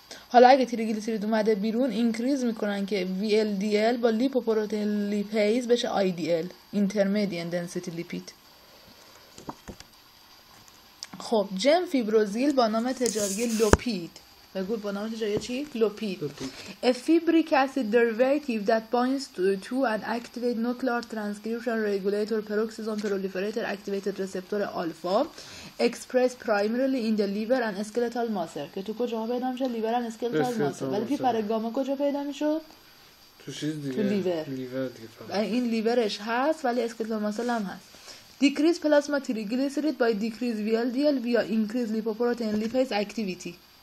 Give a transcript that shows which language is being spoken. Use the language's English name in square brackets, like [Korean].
[Persian] حالا اگه تریگلیسیرید اومده بیرون اینکریز میکنن که وی ال دی ال با لیپوپروتئین لیپیز بشه آی دی ال، اینترمدین دنسیتی لیپید. خب جن فیبروزیل با نام تجاری لوپید، بگو با نام تجاری چی؟ لوپید. [English] A fibric acid derivative that binds to an activated nuclear transcription regulator peroxisome proliferator activated receptor alpha expressed primarily in the liver and skeletal muscle. [Persian] که تو کجا پیدا میشه؟ لیور و اسکلتال ماسل. ولی پی پرگاما کجا پیدا میشد؟ تو چیز دیگه، تو لیور. لیور دیگه این لیورش هست ولی اسکلتال ماسل هم هست. [English] Decrease plasma triglyceride by decrease VLDL via increase lipoprotein lipase activity.